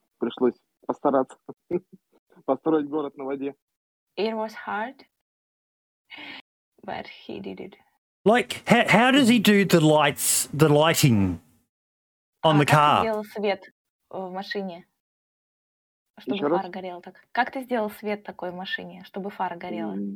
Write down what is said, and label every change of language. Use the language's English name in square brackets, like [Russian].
[Russian] Пришлось постараться построить город на воде. [English] It was hard, but he did it. Like, how does he do the lights, the lighting on the car? [Russian] Как ты сделал свет в машине, чтобы фара горела так? Как ты сделал свет такой в машине, чтобы фара горела?